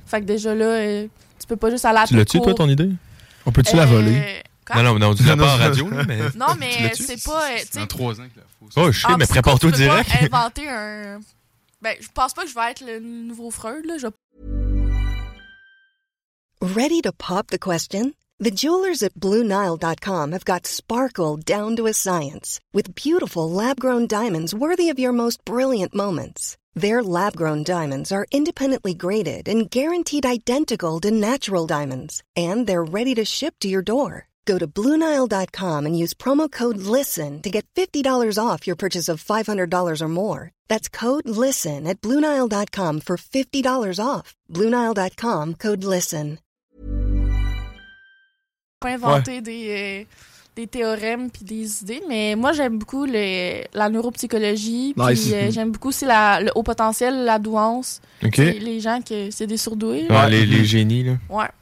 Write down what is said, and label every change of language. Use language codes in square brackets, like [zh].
[fr] Fait que déjà là, tu peux pas juste aller à tu l'as-tu, toi, ton idée? On peut-tu la voler? Non, on dit ça pas en radio. Non, mais c'est pas. C'est dans 3 ans qu'il la faut. Oh, je sais, mais prépare-toi direct. Je vais inventer un. Ben, je pense pas que je vais être le nouveau Freud. Là. [en] Ready to pop the question? The jewelers at BlueNile.com have got sparkle down to a science with beautiful lab-grown diamonds worthy of your most brilliant moments. Their lab-grown diamonds are independently graded and guaranteed identical to natural diamonds. And they're ready to ship to your door. Go to BlueNile.com and use promo code LISTEN to get $50 off your purchase of $500 or more. That's code LISTEN at BlueNile.com for $50 off. BlueNile.com, code LISTEN. [fr] Inventer des théorèmes puis des idées, mais moi j'aime beaucoup la neuropsychologie, puis nice. J'aime beaucoup aussi le haut potentiel, la douance, les gens qui c'est des surdoués. Ouais, les génies, là. Ouais.